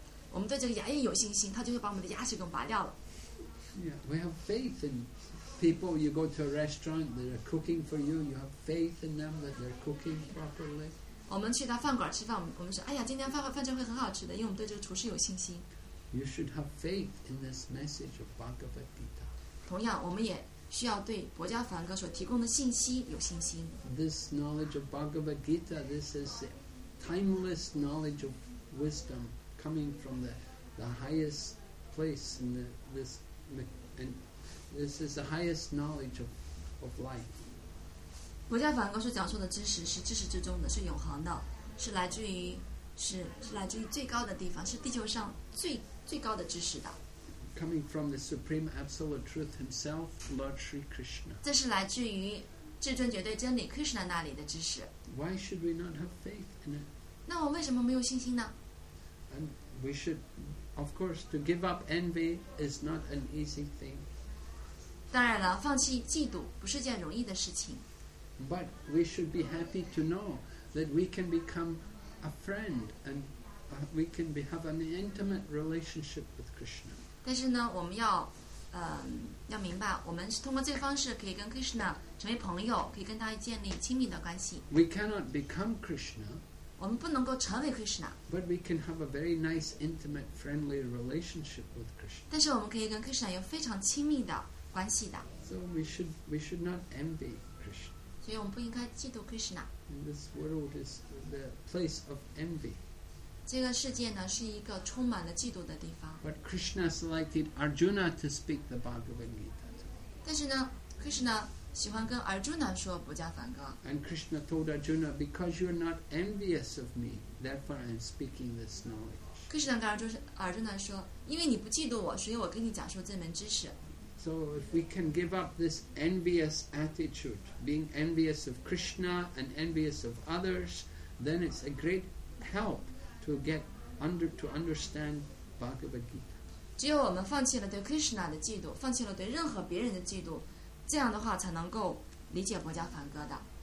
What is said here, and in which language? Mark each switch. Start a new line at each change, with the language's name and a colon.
Chinese: 我们对这个牙医有信心，他就会把我们的牙齿给拔掉了。
English: Yeah, we have faith in people. You go to a restaurant, they're cooking for you. You have faith in them that they're cooking properly.
Chinese: 我们去到饭馆吃饭，我们说，哎呀，今天饭就会很好吃的，因为我们对这个厨师有信心。
English: You should have faith in this message of Bhagavad Gita.
Chinese: 同样，我们也需要对《薄伽梵歌》所提供的信息有信心。
English: This knowledge of Bhagavad Gita, this is timeless knowledge of wisdom coming from the highest place in this, and this is the highest knowledge of life.
Chinese: 薄伽梵歌所讲述的知识是知识之中的，是永恒的，是来自于是来自于最高的地方，是地球上最高的知识的。
English: Coming from the Supreme Absolute Truth Himself, Lord Sri Krishna.
Chinese: 这是来自于至尊绝对真理 Krishna 那里的知识。
English: Why should we not have faith in it?
Chinese: 那我为什么没有信心呢？
English: And we should, of course, to give up envy is not an easy thing.
Chinese: 当然了，放弃嫉妒不是件容易的事情。
English: But we should be happy to know that we can become a friend andWe can be, have an intimate relationship with Krishna.
Chinese: 但是呢，我们要明白，我们是通过这个方式可以跟 Krishna 成为朋友，可以跟他建立亲密的关系。
English: We cannot become Krishna.
Chinese: 我们不能够成为 Krishna.
English: But we can have a very nice, intimate, friendly relationship with Krishna.
Chinese: 但是我们可以跟 Krishna 有非常亲密的关系的。
English: So we should not envy Krishna.
Chinese: 所以我们不应该嫉妒 Krishna.
English: And this world is the place of envy.
Chinese: 这个世界呢，是一个充满了嫉妒的地方。
English: But Krishna selected Arjuna to speak the Bhagavad Gita.
Chinese: 但是呢 ，Krishna 喜欢跟 Arjuna 说《薄伽梵歌》。
English: And Krishna told Arjuna, "Because you are not envious of me, therefore I am speaking this knowledge."
Chinese: Krishna 跟 Arjuna 说，因为你不嫉妒我，所以我跟你讲述这门知识。
English: So if we can give up this envious attitude, being envious of Krishna and envious of others, then it's a great help. To get under to understand Bhagavad Gita.
Chinese: 只有我们放弃了对 Krishna 的嫉妒，放弃了对任何别人的嫉妒，这样的话才能够理解薄伽梵歌的。